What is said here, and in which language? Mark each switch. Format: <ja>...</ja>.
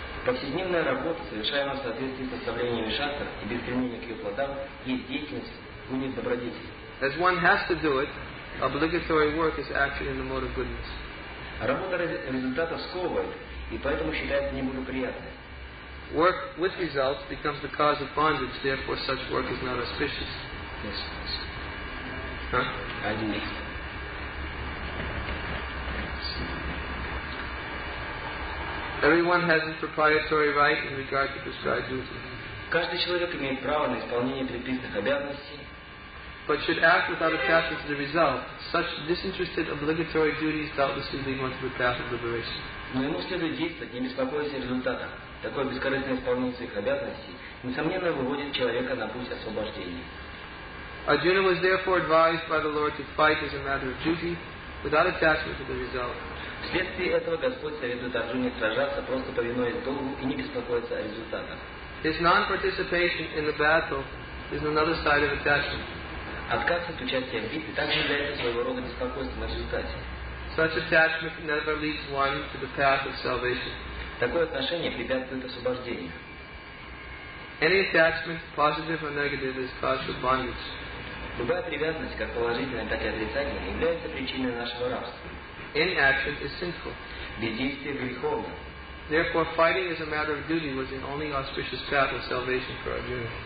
<ru>Повседневная работа, совершаемая в соответствии с оставлением шастр и без стремления к ее плодам, есть деятельность у них добродетели.</ru> <en>As one has to do it, obligatory work is actually in the mode of goodness.</en> <ru>Работа результатов сковывает и поэтому считается неблагоприятной.</ru> <en>Work with results becomes the cause of bondage, therefore such work is not auspicious. Yes. Huh?</en> <ru>одни.</ru> <en>Everyone has a proprietary right in regard to prescribed duty.</en> <ru>Каждый человек имеет право на исполнение предписанных обязанностей.</ru> <en>But should act without attachment to the result. Such disinterested obligatory duties doubtlessly lead one to the path of liberation.</en> <ru>Но ему следует действовать, не беспокоясь о результате. Такое бескорыстное исполнение своих обязанностей, несомненно, выводит человека на путь освобождения.</ru> <en>Arjuna was therefore advised by the Lord to fight as a matter of duty, without attachment to the result.</en> <ru>Вследствие этого Господь советует Арджуне сражаться просто повинуясь долгу и не беспокоиться о результатах.</ru> <en>His non-participation in the battle is another side of attachment.</en> <ru>Отказ от участия в битве также является своего рода беспокойством о результате.</ru> <en>Such attachment never leads one to the path of salvation.</en> <ru>Такое отношение препятствует освобождению.</ru> <en>Any attachment, positive or negative, is cause for bondage.</en> <ru>Любая привязанность, как положительная, так и отрицательная, является причиной нашего рабства.</ru> <en>Inaction is sinful.</en> <ru>Бездействие греховно.</ru> <en>Therefore, fighting as a matter of duty was the only auspicious path of salvation for Arjuna.</en>